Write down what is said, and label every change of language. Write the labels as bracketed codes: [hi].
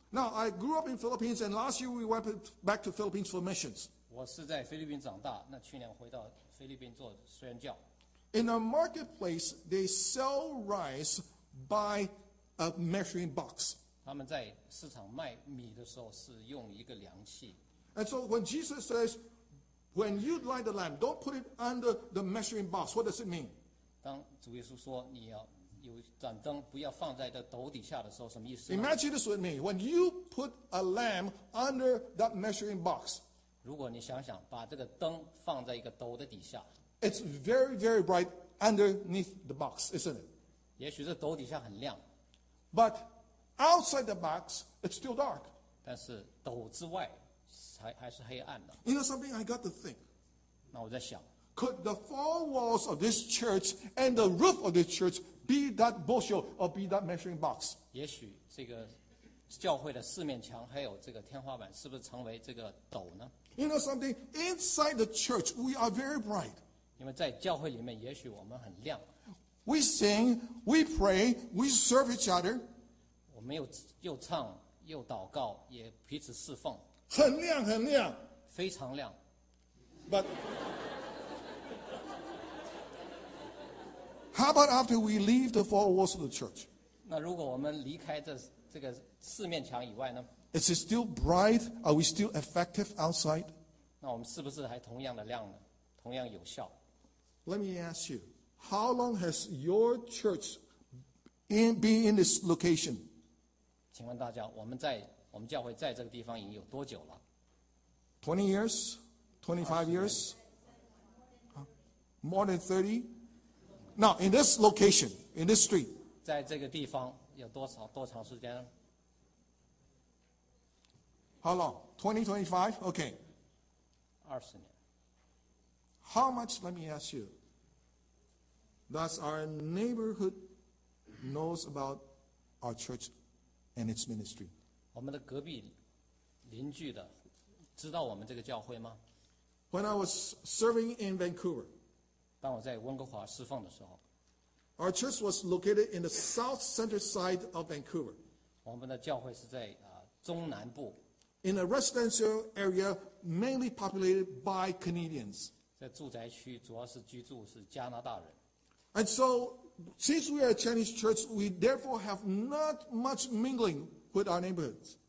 [en] Now, I grew up in Philippines, and last year we went back to Philippines for missions. [zh] 我是在菲律宾长大，那去年回到菲律宾做宣教。 [en] In a marketplace, they sell rice by a measuring box. [zh] 他们在市场卖米的时候是用一个量器。 [en] And so when Jesus says, when you light the lamp, don't put it under the measuring box, what does it mean? [zh] 当主耶稣说你要有盏灯不要放在这斗底下的时候什么意思呢？ [en] Imagine this with me. When you put a lamp under that measuring box, [zh] 如果你想想把这个灯放在一个斗的底下， [en] it's very, very bright underneath the box, isn't it? [zh] 也许这斗底下很亮。 [en] But outside the box, it's still dark. [zh] 但是斗之外还是黑暗的。 [en] You know something? I got to think. [zh] 那我在想， [en] could the four walls of this church and the roof of this church be that bushel or be that measuring box? [zh] 也许这个教会的四面墙还有这个天花板是不是成为这个斗呢？ [en] You know something? Inside the church, we are very bright. [zh] 因为在教会里面，也许我们很亮。 [en] We sing, we pray, we serve each other. [zh] 我们又唱又祷告，也彼此侍奉。很亮很亮，非常亮。 [en] But how about after we leave the four walls of the church? [zh] 那如果我们离开这个四面墙以外呢？ [en] Is it still bright? Are we still effective outside? [zh] 那我们是不是还同样的亮呢？同样有效？ [en] Let me ask you, how long has your church been in this location? [zh] 请问大家，我们教会在这个地方已经有多久了？ [en] 20 years? 25 years? More than 30? Now, in this location, in this street, [zh] 在这个地方有多长时间？ [en] How long? 20, 25? Okay. [zh] 20 年。 [en] How much, let me ask you, does our neighborhood knows about our church and its ministry? [zh] 我们的隔壁邻居的知道我们这个教会吗？ [en] When I was serving in Vancouver, [zh] 当我在温哥华侍奉的时候， [en] our church was located in the south center side of Vancouver. [zh] 我们的教会是在中南部， [en] in a residential area mainly populated by Canadians. [zh] 在住宅区主要是居住是加拿大人。 [en] And so, since we are a Chinese church, we therefore have not much mingling with our neighborhoods.